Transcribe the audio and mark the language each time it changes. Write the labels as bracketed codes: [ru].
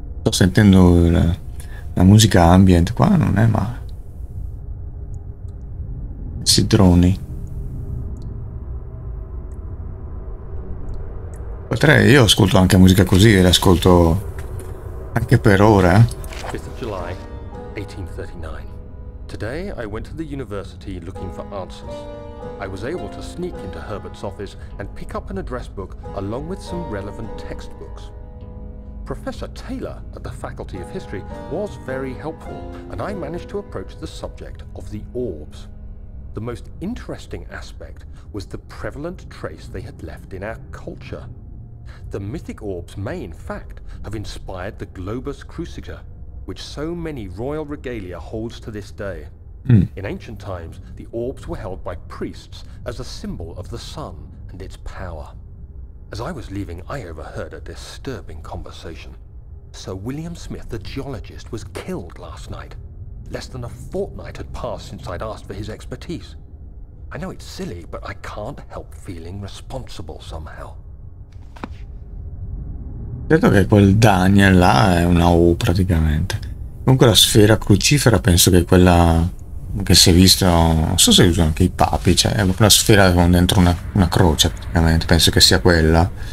[it] sentendo la musica ambient qua, non è male. Questi droni. Potrei, io ascolto anche musica così, e l'ascolto anche per ora. [en] 5th of July, 1839. Today I went to the university looking for answers. I was able to sneak into Herbert's office and pick up an address book along with some relevant textbooks. Professor Taylor at the Faculty of History was very helpful, and I managed to approach the subject of the orbs. The most interesting aspect was the prevalent trace they had left in our culture. The mythic orbs may, in fact, have inspired the Globus Crucifer, which so many royal regalia holds to this day. In ancient times, the orbs were held by priests as a symbol of the sun and its power. As I was leaving, I overheard a disturbing conversation. Sir William Smith, the geologist, was killed last night. Less than a fortnight had passed since I'd asked for his expertise. I know it's silly, but I can't help feeling responsible somehow. [it] Certo che quel Daniel là è una O praticamente. Comunque la sfera crucifera penso che è quella che si è vista, non so se usano anche i papi, cioè è proprio una sfera con dentro una croce praticamente, penso che sia quella.